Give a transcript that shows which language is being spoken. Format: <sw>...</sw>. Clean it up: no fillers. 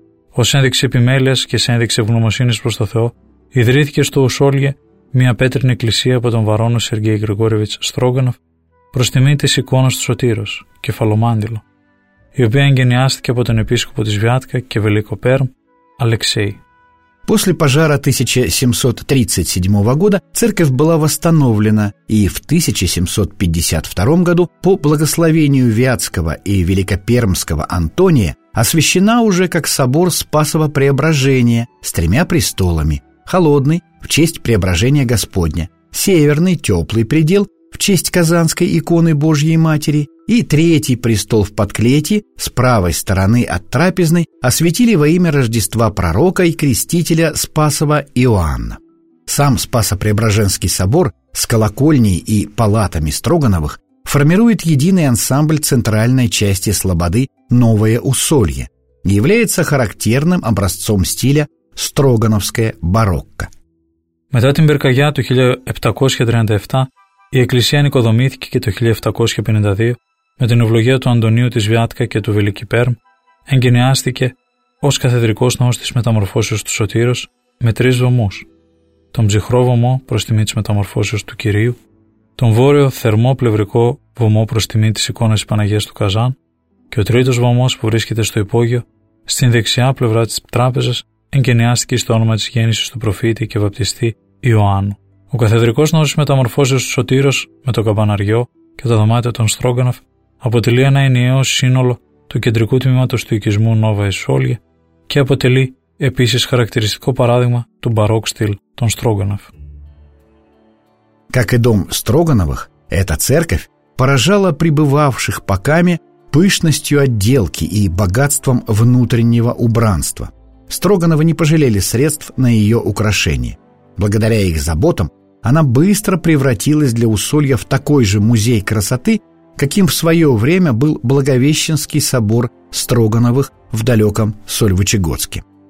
<el>Ως ένδειξη επιμέλειας και σε ένδειξη ευγνωμοσύνης προς τον Θεό, ιδρύθηκε στο Ουσόλιε μια πέτρινη εκκλησία από τον βαρόνο Σεργέη Γρηγόρεβιτς Στρόγκανοφ προς τιμή της εικόνας του Σωτήρος, κεφαλομάντιλο, η οποία εγγενιάστηκε από τον επίσκοπο της Βιάτκα και Βελίκο Πέρμ, Αλεξέη.</el> <ru>После пожара 1737 года церковь была восстановлена, и в 1752 году по благословению Вятского и Великопермского Антония освящена уже как собор Спасова Преображения с тремя престолами – холодный в честь Преображения Господня, северный теплый предел в честь Казанской иконы Божьей Матери и третий престол в подклете с правой стороны от трапезной освятили во имя Рождества Пророка и Крестителя Спасова Иоанна. Сам Спасо-Преображенский собор с колокольней и палатами Строгановых формирует единый ансамбль центральной части слободы «Новое Усолье» и является характерным образцом стиля «Строгановское барокко».</ru> <el>Μετά την πυρκαγιά του 1737, η εκκλησία νοικοδομήθηκε και το 1752 με την ευλογία του Αντωνίου της Βιάτκα και του Βελική Πέρμ εγκαινιάστηκε ως καθεδρικός ναός της μεταμορφώσεως του Σωτήρος με τρεις βωμούς. Τον ψυχρό βωμό προς τιμή της μεταμορφώσεως του Κυρίου, τον βόρειο θερμό πλευρικό βωμό προς τιμή της εικόνας της Παναγίας του Καζάν και ο τρίτος βωμός που βρίσκεται στο υπόγειο στην δεξιά πλευρά της τράπεζας εγκαινιάστηκε στο όνομα της γέννησης του προφήτη και βαπτιστή Ιωάννου. Ο καθεδρικός ναός της μεταμορφώσεως του Σωτήρος με το καμπαναριό και τα δωμάτια των Στρόγκανοφ αποτελεί ένα ενιαίο σύνολο του κεντρικού τμήματος του οικισμού Νόβα Εσόλια και αποτελεί επίσης χαρακτηριστικό παράδειγμα του μπαρόκ στυλ των Στρόγκανοφ.</el> <ru>Как и дом Строгановых, эта церковь поражала пребывавших по Каме пышностью отделки и богатством внутреннего убранства. Строгановы не пожалели средств на ее украшение. Благодаря их заботам она быстро превратилась для Усолья в такой же музей красоты, каким в свое время был Благовещенский собор Строгановых в далеком Сольвычегодске.</ru>